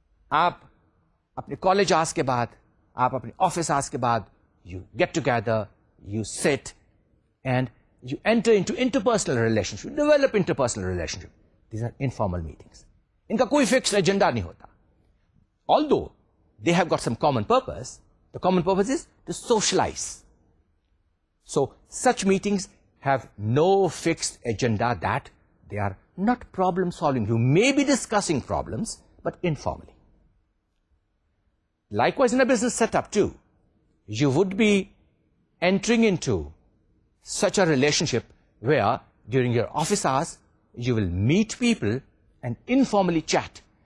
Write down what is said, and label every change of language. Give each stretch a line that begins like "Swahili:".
Urdu: آپ اپنے کالج آس کے بعد,
English: آپ اپنے office hours کے بعد, you get together, you sit and you enter into interpersonal relationship, develop interpersonal relationship. These are informal meetings,
Urdu: ان کا کوئی فکس ایجنڈا نہیں ہوتا.
English: Although they have got some common purpose, the common purpose is to socialize. So such meetings have no fixed agenda, that they are not problem solving. You may be discussing problems, but informally. Likewise, in a business setup too, you would be entering into such a relationship where during your office hours, you will meet people and informally chat.